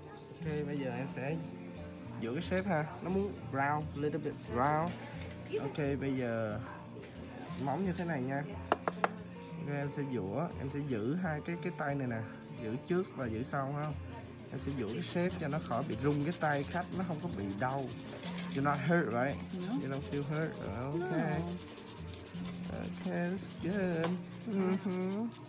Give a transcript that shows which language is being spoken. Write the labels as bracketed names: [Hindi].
[Vietnamese] Ok, bây giờ em sẽ giữ cái shape ha. Nó muốn [English] brown, little bit brown. [Vietnamese] Ok, bây giờ móng như thế này nha. Okay, em sẽ giữ hai cái tay này nè, giữ trước và giữ sau ha. Em sẽ giữ cái shape cho nó khỏi bị rung cái tay khách, nó không có bị đau. [English] You not hurt right? No. You don't feel hurt. Okay. No. Okay, that's good. Mm-hmm.